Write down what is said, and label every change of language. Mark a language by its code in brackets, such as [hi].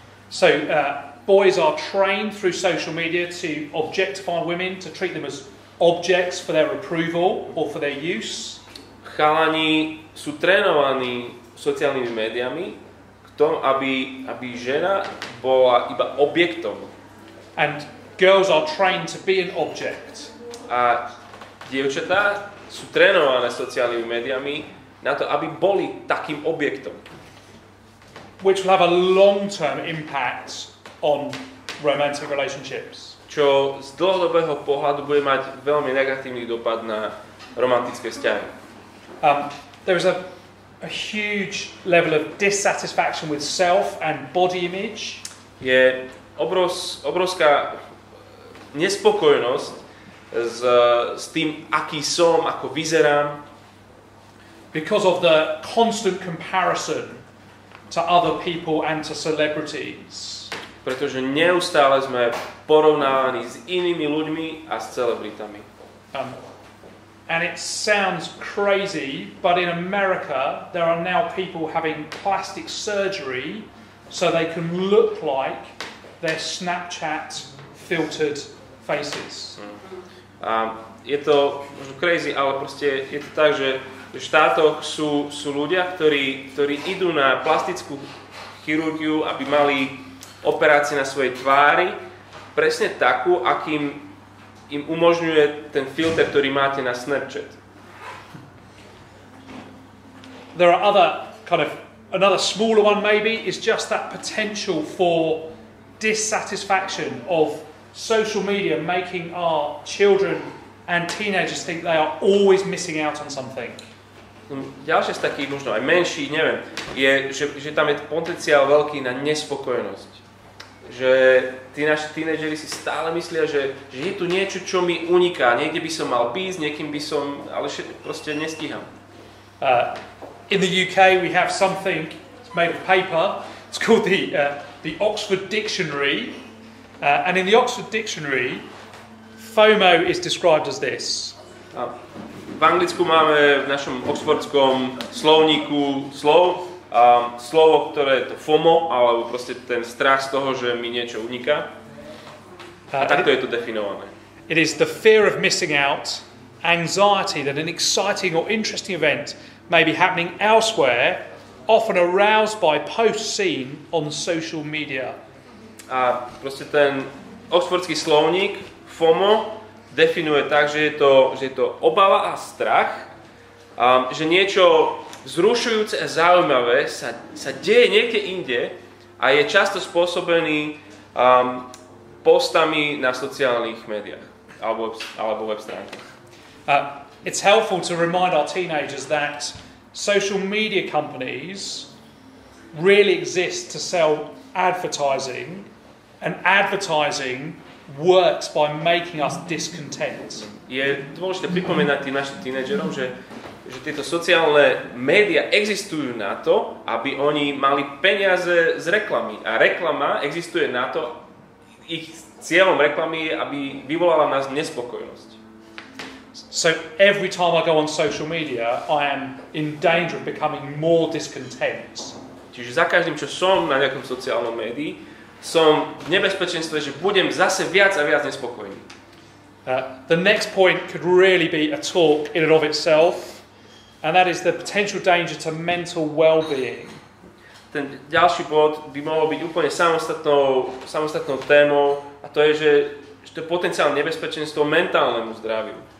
[en] So boys are trained through social media to objectify women, to treat them as objects for their approval or for their use. [sk] Chalani sú trénovaní sociálnymi médiami k tomu, aby žena bola iba objektom. [en] And girls are trained to be an object. [sk] A dievčatá sú trénované sociálnymi médiami na to, aby boli takým objektom. [en] Which will have a long-term impact on romantic relationships. [sk] Čo z dlhodobého pohľadu bude mať veľmi negatívny dopad na romantické vzťahy. [en] There is a huge level of dissatisfaction with self and body image. [sk] Je obrovská nespokojnosť s tým, aký som, ako vyzerám. [en] Because of the constant comparison to other people and to celebrities. [sk] Pretože neustále sme porovnávaní s inými ľuďmi a s celebritami. [en] And it sounds crazy, but in America there are now people having plastic surgery so they can look like their Snapchat filtered faces. [sk] Je to možno crazy, ale proste je to tak, že v štátoch sú ľudia, ktorí idú na plastickú chirurgiu, aby mali operácie na svojej tvári presne takú, akým im umožňuje ten filter, ktorý máte na Snapchat. [en] There are other kind of Another smaller one maybe is just that potential for dissatisfaction of social media making our children and teenagers think they are always missing out on something. [sk] Ďalšie z takých, možno aj menší, neviem, je, že tam je potenciál veľký na nespokojnosť. Že tí naši tínedžeri si stále myslia, že je tu niečo, čo mi uniká. Niekde by som mal byť, niekým by som, ale proste nestíham. [en] In the UK we have something, it's made of paper, it's called the Oxford Dictionary. And in the Oxford Dictionary, FOMO is described as this. [sk] V Anglicku máme v našom oxfordskom slovníku slovo, ktoré je to FOMO, alebo proste ten strach z toho, že mi niečo uniká. A takto je to definované. [en] It is the fear of missing out, anxiety that an exciting or interesting event may be happening elsewhere, often aroused by posts seen on social media. [sk] A proste ten oxfordský slovník FOMO definuje tak, že je to obava a strach, že niečo vzrušujúce a zaujímavé sa deje niekde inde a je často spôsobený postami na sociálnych médiách alebo web stránkach. [en] It's helpful to remind our teenagers that social media companies really exist to sell advertising, and advertising works by making us discontent. [sk] Je dôležité pripomínať tým našim tínedžerom, že tieto sociálne média existujú na to, aby oni mali peniaze z reklamy. A reklama existuje na to, ich cieľom reklamy je, aby vyvolala nás nespokojnosť. [en] So every time I go on social media, I am in danger of becoming more discontent. [sk] Čiže za každým, čo som na nejakom sociálnom médii, som v nebezpečenstve, že budem zase viac a viac nespokojný. [en] The next point could really be a talk in and of itself, and that is the potential danger to mental well-being. [sk] Ten ďalší bod by mohol byť úplne samostatnou témou, a to je, že to je potenciálne nebezpečenstvo mentálnemu zdraviu.